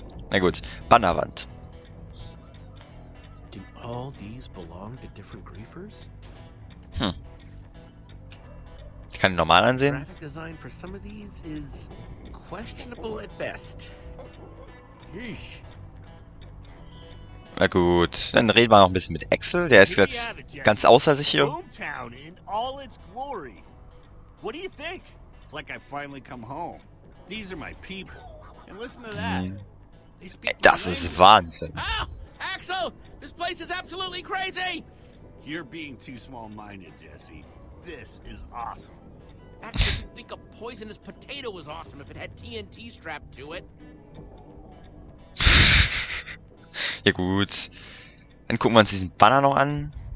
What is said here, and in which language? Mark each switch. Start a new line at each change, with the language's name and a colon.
German: Na gut, Bannerwand.
English: Do all these belong to different griefers?
German: Ich kann ihn normal ansehen.
English: Graphic design for some of these is questionable at best. Yeesh.
German: Na gut, dann reden wir noch ein bisschen mit Axel. Der ist jetzt ganz außer sich hier.
English: What do you think? It's like I finally come home. These are my people. And listen to that.
German: Das ist Wahnsinn.
English: Axel, this place is absolutely crazy. You're being too small-minded, Jesse. This is awesome. Axel, you think a poisonous potato was awesome if it had TNT strapped to it?
German: Ja gut, dann gucken wir uns diesen Banner noch an.